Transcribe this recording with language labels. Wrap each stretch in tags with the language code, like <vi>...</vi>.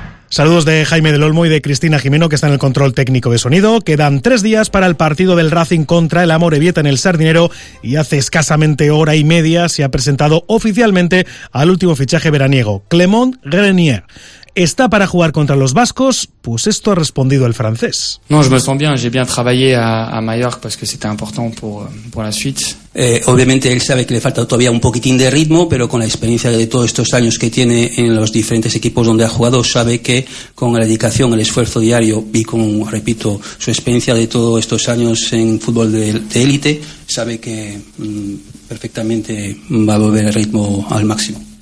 <es>Saludos de Jaime del Olmo y de Cristina Jimeno, que están en el control técnico de sonido. Quedan 3 días para el partido del Racing contra el Amorebieta en el Sardinero, y hace escasamente hora y media se ha presentado oficialmente al último fichaje veraniego, Clément Grenier. ¿Está para jugar contra los vascos? Pues esto ha respondido el francés.</es> <fr>No, je me sens bien, j'ai bien travaillé à Mallorca parce que c'était important pour la suite.</fr> <es>Obviamente él sabe que le falta todavía un poquitín de ritmo, pero con la experiencia de todos estos años que tiene en los diferentes equipos donde ha jugado, sabe que con la dedicación, el esfuerzo diario y con, repito, su experiencia de todos estos años en fútbol de élite, sabe que perfectamente va a volver el ritmo al máximo.</es>